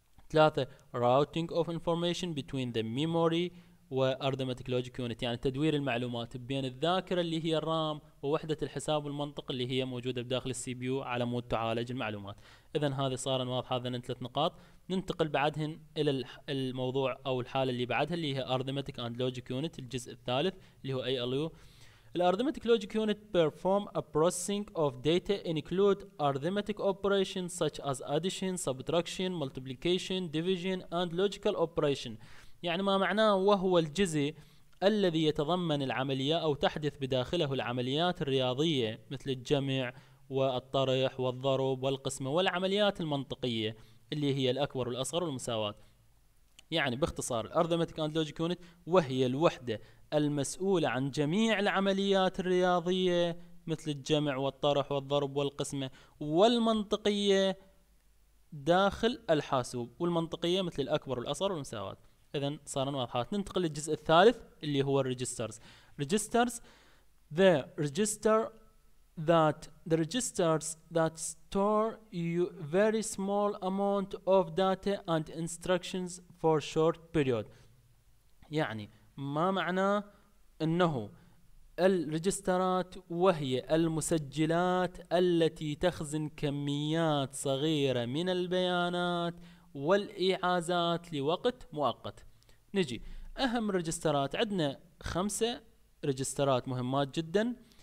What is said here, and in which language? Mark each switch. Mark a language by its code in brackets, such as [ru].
[ar] ثلاثة [en] routing of information between the memory وarithmetic logic unit، [ar] يعني تدوير المعلومات بين الذاكرة اللي هي الرام ووحدة الحساب والمنطق اللي هي موجودة بداخل السي بي يو على مود تعالج المعلومات. إذا هذه صار واضح، هذا ثلاث نقاط. ننتقل بعدهن إلى الموضوع أو الحالة اللي بعدها اللي هي arithmetic and logic unit، الجزء الثالث اللي هو ALU. [en] الarithmetic logic unit perform a processing of data include arithmetic operations such as addition, subtraction, multiplication, division and logical operation. [ar] يعني ما معناه وهو الجزء الذي يتضمن العمليات أو تحدث بداخله العمليات الرياضية مثل الجمع والطرح والضرب والقسمة والعمليات المنطقية اللي هي الأكبر والأصغر والمساواة. يعني باختصار arithmetic and logic unit وهي الوحدة المسؤولة عن جميع العمليات الرياضية مثل الجمع والطرح والضرب والقسمة والمنطقية داخل الحاسوب، والمنطقية مثل الأكبر والأصغر والمساواة. إذن صار واضحات. ننتقل للجزء الثالث اللي هو الريجسترز. [en] Registers the register that the registers that store you very small amount of data and instructions for short period. [ar] يعني ما معناه انه الريجسترات وهي المسجلات التي تخزن كميات صغيرة من البيانات والإعازات لوقت مؤقت. نجي اهم الريجسترات، عندنا خمسة ريجسترات مهمات جدا.